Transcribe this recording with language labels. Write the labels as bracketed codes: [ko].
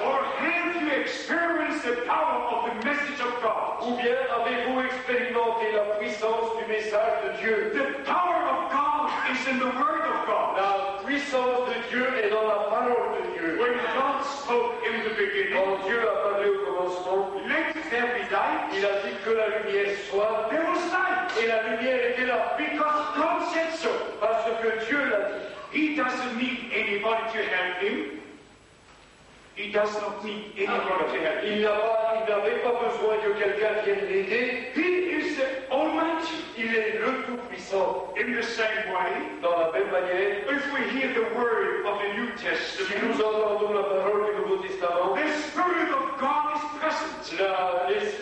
[en] Or have you experienced the power of the message of God? [fr] Ou bien avez-vous expérimenté la puissance du message de Dieu? [en] The power of God is in the Word of God. [fr] La puissance de Dieu est dans la parole de Dieu. [en] When God spoke in the beginning, [fr] quand Dieu a parlé au commencement, [en] let there be light. [fr] Il a dit que la lumière soit. [en] There was light. [fr] Et la lumière était là. [en] Because God said so. [fr] Parce que Dieu l'a dit. [en] He doesn't need anybody to help him. He does not need anybody to help him. [fr] Il n'avait pas besoin que quelqu'un vienne l'aider. [en] He is the Almighty. [fr] Il est le Tout-Puissant. [en] In the same way, [fr] dans la même manière, [en] if we hear the word of the New Testament, [fr] si nous entendons la parole du Nouveau Testament, [en] the Spirit of God is present.